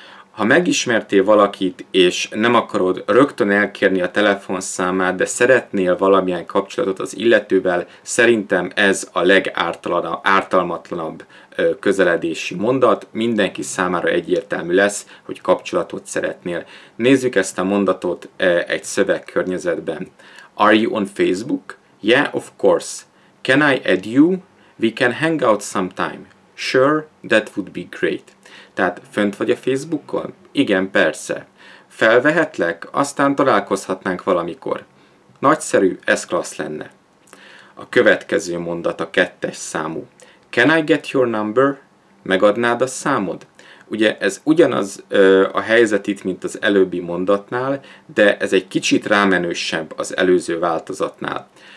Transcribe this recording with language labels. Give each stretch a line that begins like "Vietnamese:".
Hungarian: Ha megismertél valakit, és nem akarod rögtön elkérni a telefonszámát, de szeretnél valamilyen kapcsolatot az illetővel, szerintem ez a legártalmatlanabb közeledési mondat. Mindenki számára egyértelmű lesz, hogy kapcsolatot szeretnél. Nézzük ezt a mondatot egy szövegkörnyezetben.
English: Are you on Facebook? Yeah, of course. Can I add you? We can hang out sometime. Sure, that would be great.
Hungarian: Tehát fönt vagy a Facebookon? Igen, persze. Felvehetlek? Aztán találkozhatnánk valamikor. Nagyszerű, ez klassz lenne. A következő mondat a kettes számú.
English: Can I get your number?
Hungarian: Megadnád a számod? Ugye ez ugyanaz a helyzet itt, mint az előbbi mondatnál, de ez egy kicsit rámenősebb az előző változatnál.